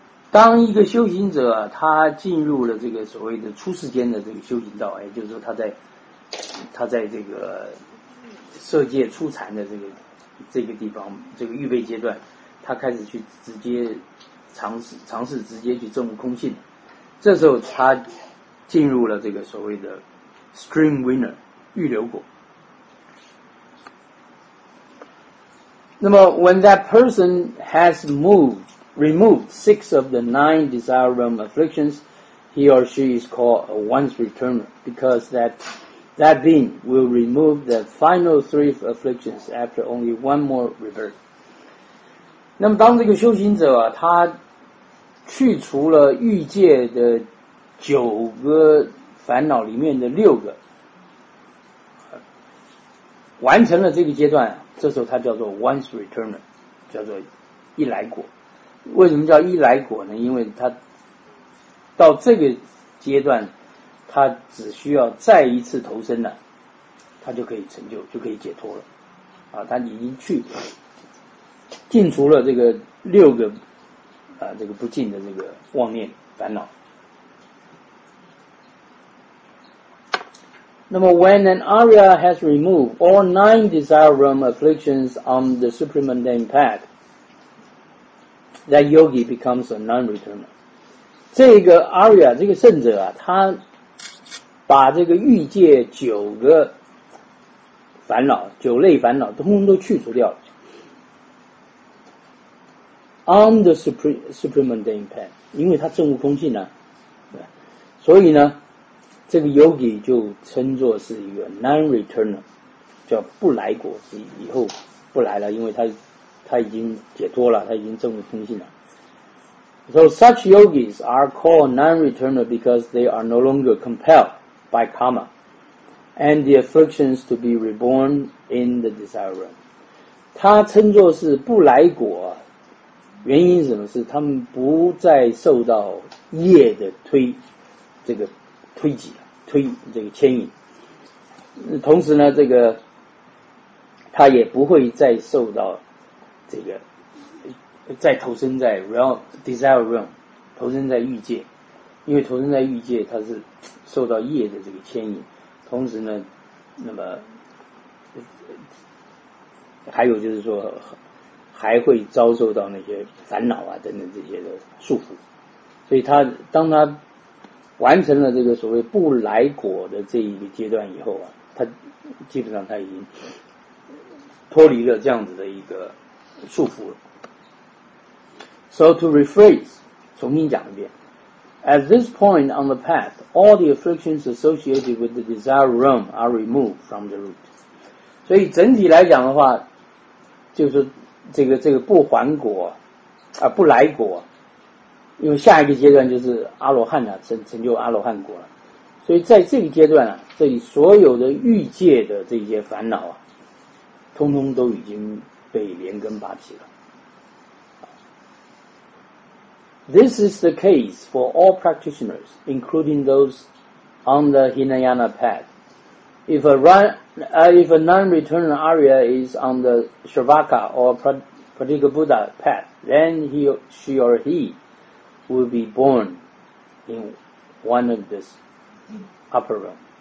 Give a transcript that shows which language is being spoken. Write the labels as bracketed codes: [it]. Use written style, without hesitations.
[zh] 当一个修行者他进入了这个所谓的初世间的这个修行道，也就是说他在这个色界初禅的这个地方，这个预备阶段，他开始去直接尝试直接去证悟空性，这时候他进入了这个所谓的 stream winner 预留果。那么 [en] when that person has removed six of the nine desire realm afflictions, he or she is called a once returner, because that being will remove the final three afflictions after only one more rebirth. [zh] 那么当这个修行者啊，他去除了欲界的九个烦恼里面的六个，完成了这个阶段，这时候他叫做 once returner， 叫做一来果。为什么叫一来果呢？因为他到这个阶段，他只需要再一次投生了，他就可以成就，就可以解脱了。啊，他已经去净除了这个六个啊，这个不净的这个妄念烦恼。那么 [en] when an Arya has removed all nine desire realm afflictions on the supramundane path, that yogi becomes a non-returner. [zh] 这个 Arya 这个圣者啊，他把这个欲界九个烦恼，九类烦恼通通都去除掉了。 [en] On the supramundane path， [zh] 因为他证悟空性呢，所以呢这个 yogi 就称作是一个 non-returner， 叫不来果，以后不来了，因为他已经解脱了，他已经证悟空性了。 [en] So such yogis are called non-returner because they are no longer compelled by karma and the afflictions to be reborn in the desire realm. [zh] 他称作是不来果，原因是什么？是他们不再受到业的推，这个推挤，推这个牵引。同时呢，这个他也不会再受到这个再投身在 [en] realm desire realm， [zh] 投身在欲界，因为投身在欲界，他是受到业的这个牵引。同时呢，那么还有就是说，还会遭受到那些烦恼啊等等这些的束缚。所以他当他完成了这个所谓不来果的这一个阶段以后啊，他基本上他已经脱离了这样子的一个束缚了。 [en] So to rephrase, [zh] 重新讲一遍。 [en] At this point on the path, all the afflictions associated with the desire realm are removed from the root. [zh] 所以整体来讲的话，就是这个不还果啊，不来果，因为下一个阶段就是阿罗汉啊，成就阿罗汉果了。所以在这个阶段啊，这里所有的欲界的这些烦恼啊，通通都已经被连根拔起了。 [en] This is the case for all practitioners, including those on the Hinayana path. If a non-return arya is on the Shravaka or Pratigabuddha path, then he, she or he will be born in one of this upper realm.